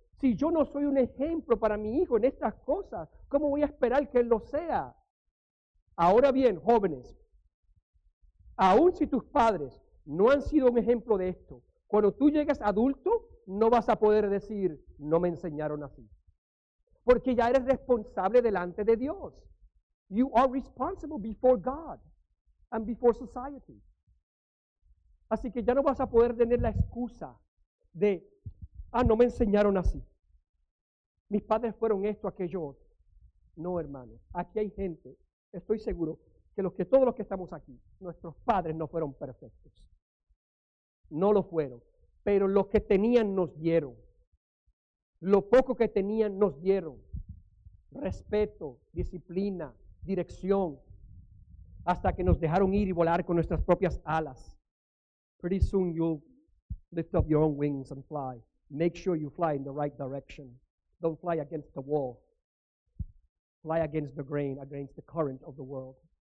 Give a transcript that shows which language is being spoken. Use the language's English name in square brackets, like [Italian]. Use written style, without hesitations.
[Spanish] Si yo no soy un ejemplo para mi hijo en estas cosas, ¿cómo voy a esperar que él lo sea? Ahora bien, jóvenes, aun si tus padres no han sido un ejemplo de esto, cuando tú llegues adulto, no vas a poder decir, no me enseñaron así. Porque ya eres responsable delante de Dios. [English] You are responsible before God and before society. [Spanish] Así que ya no vas a poder tener la excusa de, no me enseñaron así. Mis padres fueron esto, aquello. No, hermano, aquí hay gente, estoy seguro, que todos los que estamos aquí, nuestros padres no fueron perfectos. No lo fueron, pero lo que tenían nos dieron. Lo poco que tenían nos dieron. Respeto, disciplina, dirección, hasta que nos dejaron ir y volar con nuestras propias alas. [English] Pretty soon you'll lift up your own wings and fly. Make sure you fly in the right direction. Don't fly against the wall. Fly against the grain, against the current of the world.